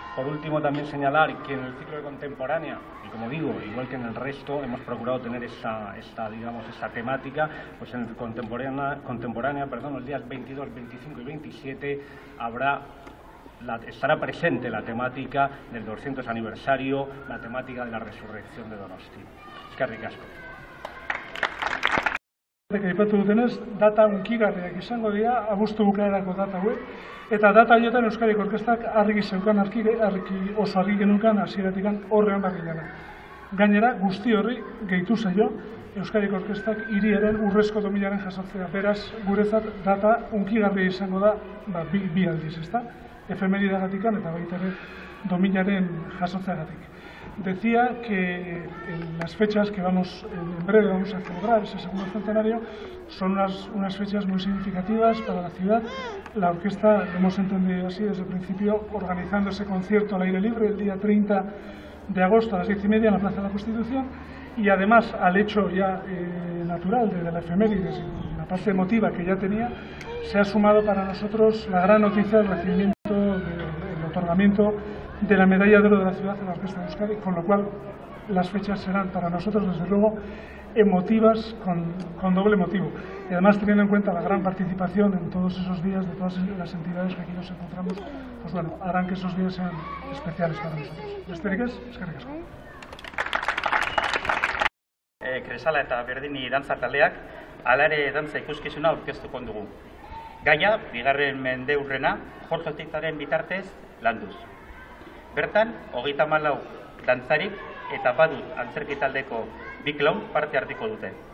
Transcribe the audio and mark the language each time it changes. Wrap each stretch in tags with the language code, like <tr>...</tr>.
<es>Por último, también señalar que en el ciclo de contemporánea, y como digo, igual que en el resto, hemos procurado tener esta temática, pues en el contemporánea, los días 22, 25 y 27 habrá estará presente la temática del 200 aniversario, la temática de la resurrección de Donosti.</es> <eu>Eskerrik asko. Aipatu dutenez, data hunkigarriak izango dira, abuztu bukaerako data hauek, eta data horietan Euskadiko Orkestrak argi zeukan, argi oso argi genukan, hasieratik horrean bagilana. Gainera, guzti horri gehitu zaio Euskadiko Orkestrak hiriaren urrezko dominaren jasotzea. Beraz, guretzat data hunkigarria izango da, ba, bi aldiz, ezta? Efemeridagatik eta baita ere dominaren jasotzeagatik.</eu> <es>Decía que las fechas que vamos en breve vamos a celebrar ese segundo centenario son unas fechas muy significativas para la ciudad. La orquesta, hemos entendido así desde el principio, organizando ese concierto al aire libre el día 30 de agosto a las 10:30 en la Plaza de la Constitución, y además al hecho ya natural de la efemérides, la parte emotiva que ya tenía, se ha sumado para nosotros la gran noticia del recibimiento del otorgamiento de la medalla de oro de la ciudad de la Orquesta de Euskadi, con lo cual las fechas serán para nosotros desde luego emotivas con doble motivo. Y además teniendo en cuenta la gran participación en todos esos días de todas las entidades que aquí nos encontramos, pues bueno, harán que esos días sean especiales para nosotros.</es> <eu>Besterik ez, eskerrik asko. Kresala eta Berdini dantza taldeak alare dantza ikuskizuna aurkeztuko dugu. Gaia, bigarren mendeurrena, Jorge Oteizaren bitartez landuz. Bertan, 34 dantzarik eta badut antzerki taldeko bi klon parte hartuko dute.</eu>